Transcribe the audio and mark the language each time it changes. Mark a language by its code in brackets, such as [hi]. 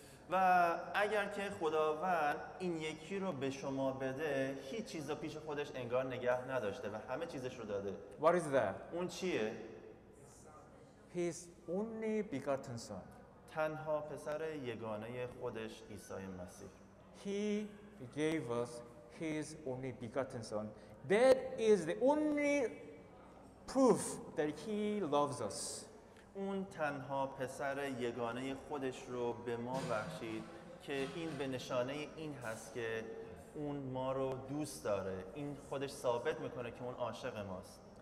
[fa] و اگر که خداوند این یکی رو به شما بده، هیچ چیز رو پیش خودش انگار نگه نداشته و همه چیزش رو داده. [en] What is that? [fa] اون چیه؟ [en] His only begotten son. [fa] تنها پسر یگانه خودش عیسی مسیح. [en] He gave us his only begotten son. That is the only proof that he loves us. [fa] اون تنها پسر یگانه خودش رو به ما بخشید که این به نشانه این هست که اون ما رو دوست داره. این خودش ثابت میکنه که اون عاشق ماست.